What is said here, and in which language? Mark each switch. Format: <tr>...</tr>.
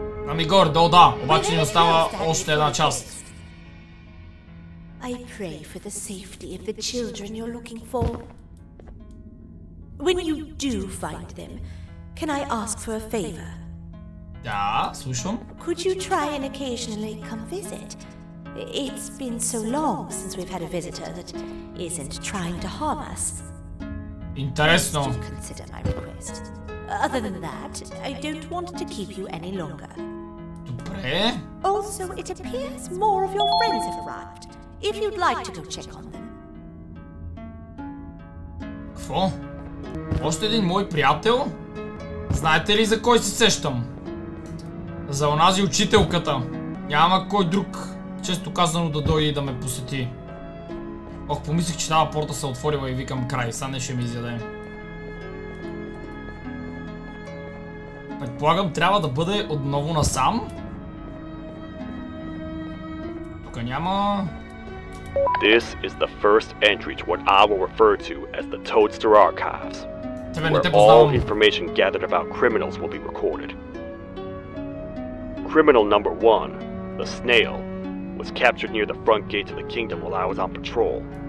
<bg>Ами горе, долу да, обаче ни остава още една част.</bg> <en>I pray for the safety of the children you're looking for. When you do find them, can I ask for a favor?</en> <bg>Да, слушам.</bg> <en>Could you try and occasionally come visit? It's been so long since we've had a visitor that isn't trying to harm us. Interesting. Please do consider my request. Other than that, I don't want to keep you any longer.</en> <bg>Dobre.</bg> <en>Also, it appears more of your friends have arrived. If you'd like to go check on them.</en> <bg>Кво? Още един мой приятел? Знаете ли за кой се сещам? За онази учителката. Няма кой друг, често казано, да дойде и да ме посети. Ох, помислих, че тази порта се отворила и викам край, сега не ще ми изяде. Предполагам, трябва да бъде отново насам. Тук няма...</bg> <en>This is the first entry to what I will refer to as the Toadster Archives.</en> <bg>Тебе не те познавам.</bg> <en>All information gathered about criminals will be recorded. Criminal number one, the snail, was captured near the front gate of the kingdom while I was on patrol.</en>